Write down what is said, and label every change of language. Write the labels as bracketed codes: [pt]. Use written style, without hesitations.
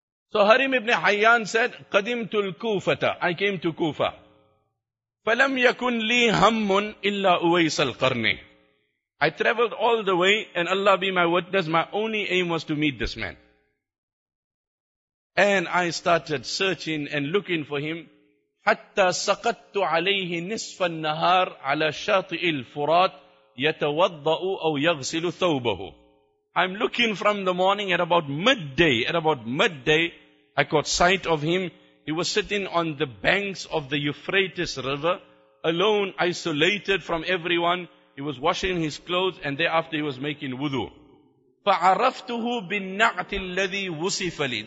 [en] So Harim ibn Hayyan said, [ar] قَدِمْتُ الْكُوفَةَ, [en] I came to Kufa. [ar] فَلَمْ يَكُنْ لِي هَمٌ إِلَّا أُوَيْسَ الْقَرْنِ, [en] I traveled all the way and Allah be my witness, my only aim was to meet this man. And I started searching and looking for him. [ar] حَتَّى سَقَدْتُ عَلَيْهِ نِصْفَ النَّهَارِ عَلَى شَاطِئِ الْفُرَاتِ يَتَوَضَّأُ أَوْ يَغْسِلُ ثَوْبَهُ, [en] I'm looking from the morning at about midday. At about midday, I caught sight of him. He was sitting on the banks of the Euphrates River, alone, isolated from everyone. He was washing his clothes and thereafter he was making wudu. [ar] فَعَرَفْتُهُ بِالنَّعْتِ الَّذِي وُصِفَ لِي.